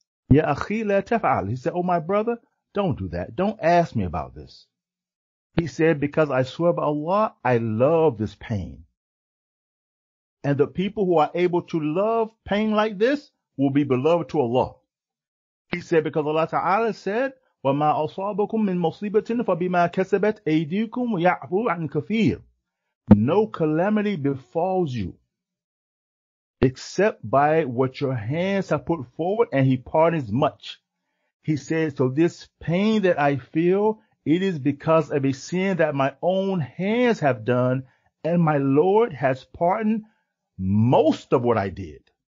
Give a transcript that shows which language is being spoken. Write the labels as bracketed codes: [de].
[ar] Ya akhi la taf'al. [en] He said, oh, my brother, don't do that. Don't ask me about this. He said, because I swear by Allah, I love this pain. And the people who are able to love pain like this will be beloved to Allah. He said, because Allah Ta'ala said, [ar] وَمَا أَصَابَكُم مِّن مُصِيبَةٍ فَبِمَا كَسَبَتْ أَيْدِيكُمْ وَيَعْفُو عَنْ كَثِيرٍ. [en] No calamity befalls you except by what your hands have put forward, and he pardons much. He said, so this pain that I feel, it is because of a sin that my own hands have done, and my Lord has pardoned most of what I did.